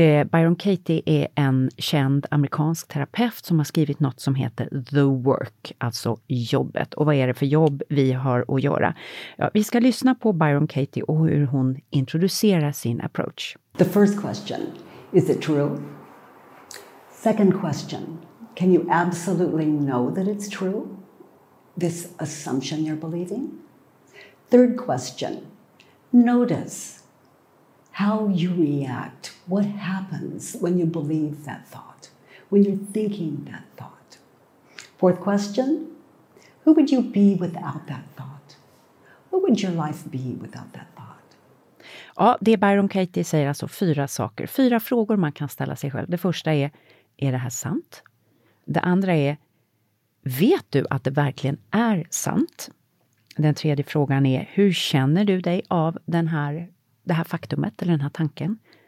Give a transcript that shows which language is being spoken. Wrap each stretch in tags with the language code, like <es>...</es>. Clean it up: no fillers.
<sv>Byron Katie är en känd amerikansk terapeut som har skrivit något som heter The Work, alltså jobbet. Och vad är det för jobb vi har att göra? Ja, vi ska lyssna på Byron Katie och hur hon introducerar sin approach.</sv> <en>The first question, is it true? Second question, can you absolutely know that it's true? This assumption you're believing? Third question, notice how you react. What happens when you believe that thought? When you're thinking that thought? Fourth question, who would you be without that thought? What would your life be without that thought?</en> <sv>Ja, det Byron Katie säger, alltså fyra saker. Fyra frågor man kan ställa sig själv. Det första är det här sant? Det andra är, vet du att det verkligen är sant? Den tredje frågan är, hur känner du dig av det här faktumet eller den här tanken?</sv>